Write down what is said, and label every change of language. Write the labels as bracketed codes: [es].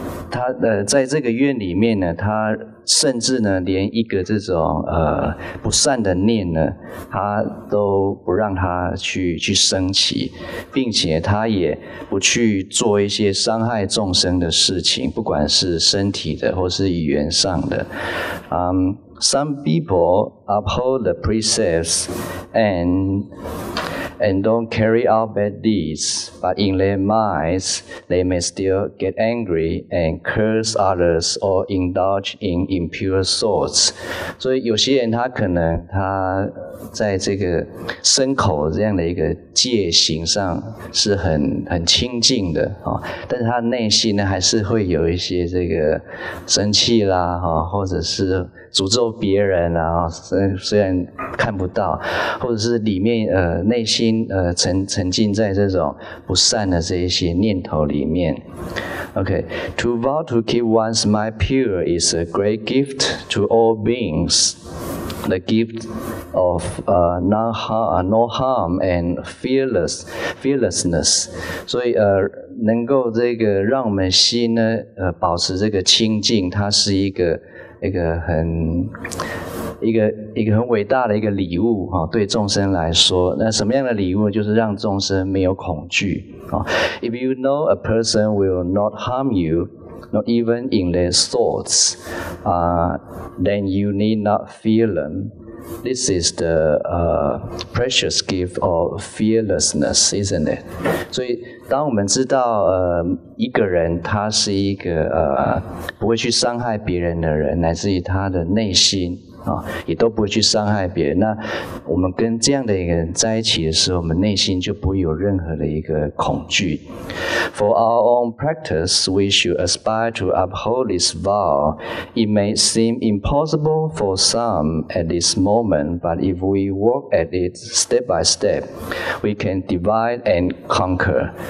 [zh] 他在这个院里面呢，他甚至呢连一个这种不善的念呢，他都不让他去升起，并且他也不去做一些伤害众生的事情，不管是身体的或是语言上的。 [en] Some people uphold the precepts and don't carry out bad deeds, but in their minds, they may still get angry and curse others or indulge in impure thoughts. [zh] 所以有些人他可能他在这个身口这样的一个戒行上是很清净的，但是他内心呢还是会有一些这个生气啦，或者是诅咒别人啊，虽然看不到，或者是里面内心沉浸在这种不善的这一些念头里面。 [en] Okay, to vow to keep one's mind pure is a great gift to all beings, the gift of no harm and fearlessness. [zh] 所以能够这个让我们心呢保持这个清净，它是一个很伟大的一个礼物，对众生来说。那什么样的礼物？就是让众生没有恐惧。 [en] If you know a person will not harm you, not even in their thoughts, then you need not fear them. This is the precious gift of fearlessness, isn't it? [zh] 所以当我们知道一个人他是一个不会去伤害别人的人，乃至于他的内心也都不会去伤害别人，那我们跟这样的一个人在一起的时候，我们内心就不会有任何的一个恐惧。 [en] For our own practice, we should aspire to uphold this vow. It may seem impossible for some at this moment, but if we work at it step by step, we can divide and conquer.